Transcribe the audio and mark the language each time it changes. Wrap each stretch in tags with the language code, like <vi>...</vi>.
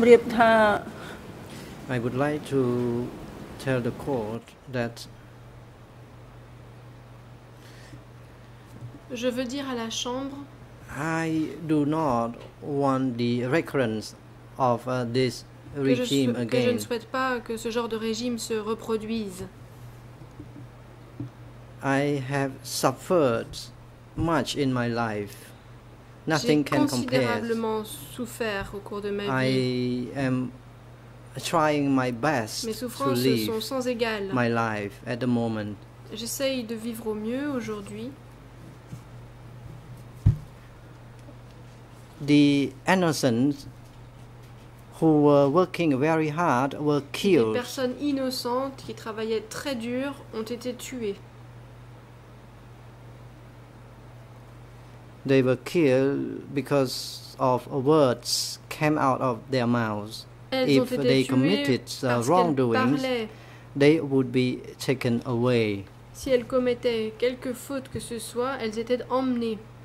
<en>I would like to tell the court that</en> <fr>je veux dire à la chambre</fr> <en>I do not want the recurrence of this regime again.</en> <fr>Que je ne souhaite pas que ce genre de régime se reproduise.</fr> <en>I have suffered much in my life. Nothing can compare.</en> <fr>J'ai considérablement souffert au cours de ma vie.</fr> <en>I am trying my best to live.</en> <fr>Mes souffrances sont sans égale.</fr> <en>My life at the moment.</en> <fr>J'essaye de vivre au mieux aujourd'hui.</fr> <en>The innocents who were working very hard were killed.</en> <fr>Les personnes innocentes qui travaillaient très dur ont été tuées.</fr> <en>They were killed because of words came out of their mouths. If they committed wrongdoings, they would be taken away.</en> <fr>Si elles commettaient quelque faute que ce soit, elles étaient emmenées.</fr>